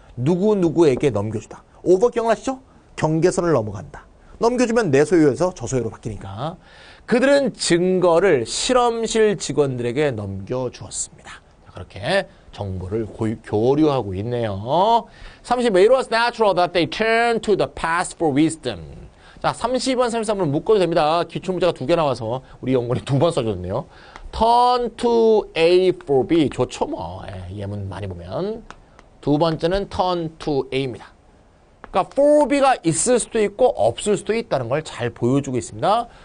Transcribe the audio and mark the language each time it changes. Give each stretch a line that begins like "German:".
Korean: 누구누구에게 넘겨주다. 오버 기억나시죠? 경계선을 넘어간다. 넘겨주면 내 소유에서 저 소유로 바뀌니까. 그들은 증거를 실험실 직원들에게 넘겨주었습니다. 그렇게 정보를 교류하고 있네요. 30번.
English: It was natural that they turned to the past for wisdom.
Korean: 자, 30번, 33번 묶어도 됩니다. 기출문제가 두개 나와서 우리 영문이 두번 써줬네요. turn to A for B. 좋죠, 뭐. 예, 예문 많이 보면. 두 번째는 turn to A입니다. 그러니까 for B가 있을 수도 있고 없을 수도 있다는 걸잘 보여주고 있습니다.